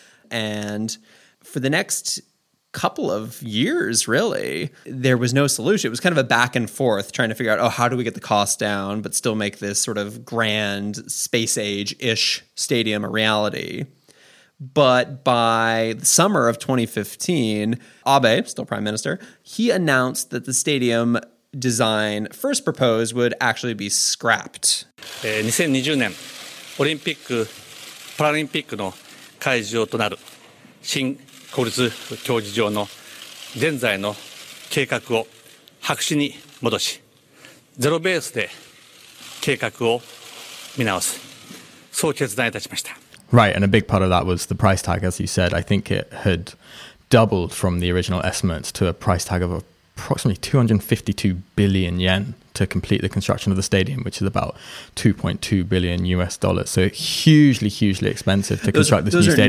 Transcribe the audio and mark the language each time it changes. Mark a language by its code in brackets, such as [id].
[en] And for the next couple of years, really, there was no solution. It was kind of a back and forth trying to figure out, oh, how do we get the cost down but still make this sort of grand space age-ish stadium a reality? But by the summer of 2015, Abe, still prime minister, he announced that the stadium design first proposed would actually be scrapped. [ja] 2020年 オリンピック・パラリンピックの会場となる新国立競技場の現在の計画を白紙に戻し、ゼロベースで計画を見直す。そう決断いたしました。 [en] Right, and a big part of that was the price tag, as you said. I think it had doubled from the original estimates to a price tag of approximately 252 billion yen to complete the construction of the stadium, which is about 2.2 billion US dollars. So hugely, hugely expensive to construct this new stadium.